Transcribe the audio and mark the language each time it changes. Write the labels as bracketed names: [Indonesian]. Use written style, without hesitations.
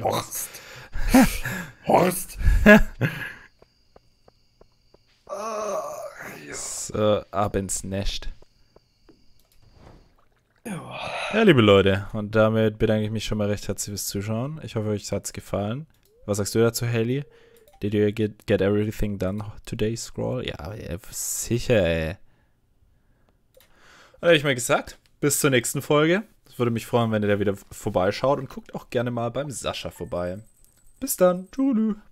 [German] Horst. Horst. ab ins Nest. Ja, liebe Leute, und damit bedanke ich mich schon mal recht herzlich fürs Zuschauen. Ich hoffe, euch hat es gefallen. Was sagst du dazu, Haley? [English] Did you get everything done today, Scroll? [German] Ja, sicher, ey. Hätte ich mal gesagt, bis zur nächsten Folge. Es würde mich freuen, wenn ihr da wieder vorbeischaut und guckt auch gerne mal beim Sascha vorbei. Bis dann. Tschüss.